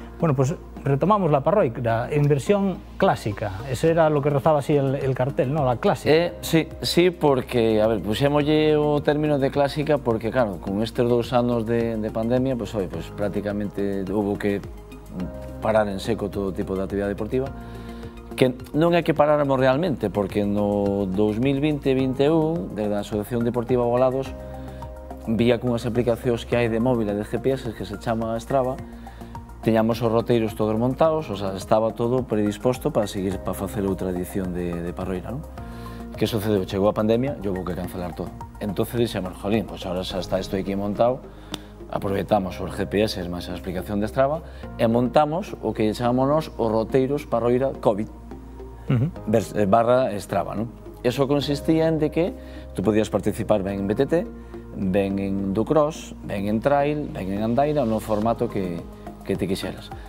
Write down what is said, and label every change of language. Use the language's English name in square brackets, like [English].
[Spanish] Bueno, pues retomamos la Parroira en versión clásica. Ese era lo que rezaba así el cartel, ¿no? La clásica. Sí, porque, a ver, [Galician] pusémosle o término de clásica [Spanish] porque, claro, con estos dos años de pandemia, pues hoy, pues prácticamente hubo que parar en seco todo tipo de actividad deportiva. [Galician] Que non é que paráramos realmente, porque no 2020-21, desde a Asociación Deportiva Ovalados, vía cunhas aplicacións que hai de móvil e de GPS, que se chama Strava, teñamos os roteiros todos montados, o sea, estaba todo predisposto para seguir, para facer outra edición de Parroira, non? Que sucedeu? Chegou a pandemia, e houve que cancelar todo. Entón dixemos, jolín, pois agora xa está isto aquí montado, aproveitamos os GPS máis a aplicación de Strava e montamos o que chamámonos os roteiros Parroira COVID, barra Strava, non? Eso consistía en de que tú podías participar ben en BTT, ven en Ducross, ven en Trail, ven en Andaira, no formato que te quixeras.